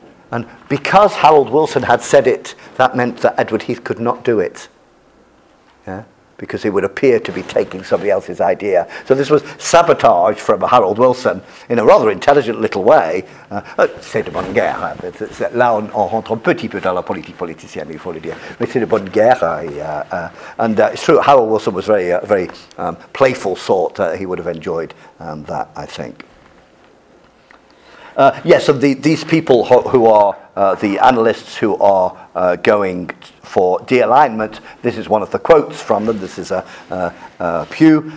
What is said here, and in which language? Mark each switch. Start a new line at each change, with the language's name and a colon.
English: And because Harold Wilson had said it, that meant that Edward Heath could not do it. Yeah? Because he would appear to be taking somebody else's idea. So this was sabotage from Harold Wilson in a rather intelligent little way.
French: C'est de bonne guerre. Là, on rentre un petit peu dans la politique politicienne, il faut le dire. Mais c'est de bonne guerre.
English: And it's true, Harold Wilson was very playful sort. He would have enjoyed that, I think. Yes, and these people who are the analysts who are going for de-alignment, this is one of the quotes from them, this is Pew.